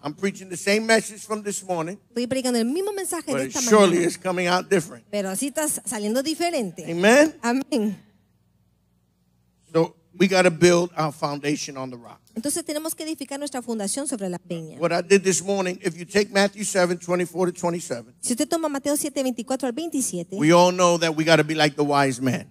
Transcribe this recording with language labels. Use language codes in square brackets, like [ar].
[en] I'm preaching the same message from this morning. [es] Estoy predicando el mismo mensaje [en] but [es] de esta [en] surely [es] mañana. [en] It's coming out different. [es] Pero así estás saliendo diferente. [en] Amen. [es] Amén. [en] So we got to build our foundation on the rock. [es] Entonces tenemos que edificar nuestra fundación sobre la peña. [en] What I did this morning, if you take Matthew 7, 24 to 27. [es] Si usted toma Mateo 7, 24 al 27. [en] We all know that we got to be like the wise man.